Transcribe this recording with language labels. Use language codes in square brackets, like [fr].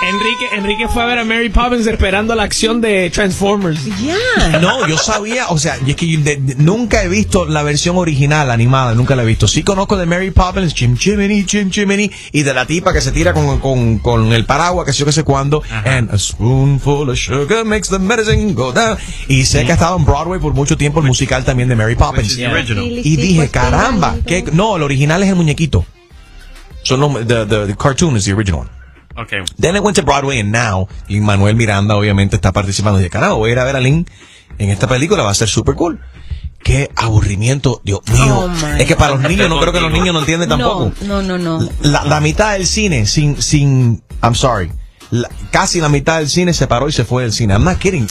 [es] Enrique fue a ver a Mary Poppins esperando la acción de Transformers. Yeah. No, yo sabía, o sea, y es que yo nunca he visto la versión original animada, nunca la he visto. Sí conozco de Mary Poppins, Chim Chimini, y de la tipa que se tira con el paraguas, que sé yo qué sé cuándo. Uh-huh. [en] And a spoonful of sugar makes the medicine go down. [es] Y sé que ha estado en Broadway por mucho tiempo el musical también de Mary Poppins. Y dije, caramba, que no, el original es el muñequito. [en] So no, the cartoon is the original one. Okay. Then it went to Broadway and now y Manuel Miranda [es] obviamente está participando. Dije, carajo, voy a ir a ver a Lin en esta película, va a ser super cool. Qué aburrimiento, Dios mío. Oh, es que para los niños, no creo que los niños no entiendan tampoco. No. La mitad del cine sin [en] I'm sorry. [es] Casi la mitad del cine se paró y se fue del cine. [en] I'm not kidding.